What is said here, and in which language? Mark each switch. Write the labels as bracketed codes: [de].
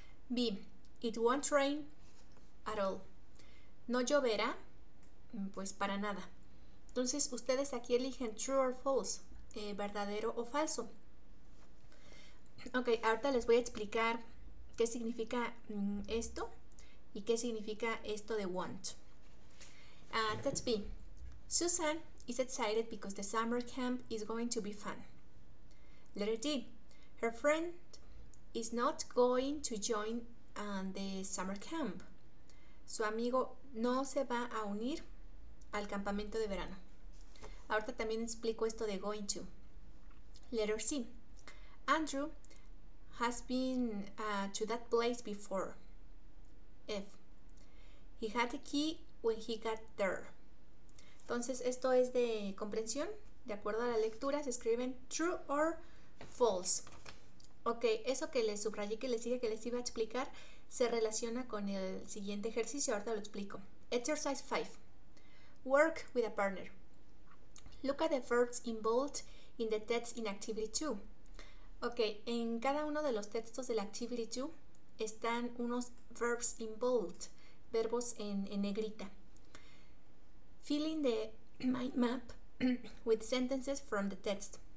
[en] B, it won't rain at all. [es] No lloverá, pues para nada. Entonces, ustedes aquí eligen [en] true or false, [es] verdadero o falso. Ok, ahorita les voy a explicar qué significa esto. ¿Y qué significa esto de want? Text B. [en] Susan is excited because the summer camp is going to be fun. Letter D. Her friend is not going to join the summer camp. [es] Su amigo no se va a unir al campamento de verano. Ahorita también explico esto de going to. Letter C. [en] Andrew has been to that place before. F. He had the key when he got there. [es] Entonces, esto es de comprensión. De acuerdo a la lectura, se escriben [en] true or false. [es] Ok, eso que les subrayé, que les dije que les iba a explicar, se relaciona con el siguiente ejercicio. Ahorita lo explico. [en] Exercise 5. Work with a partner. Look at the verbs involved in the text in activity 2. [es] Ok, en cada uno de los textos de la activity 2, están unos [en] verbs in bold, [es] verbos en negrita. [en] Filling the mind map with sentences from the text.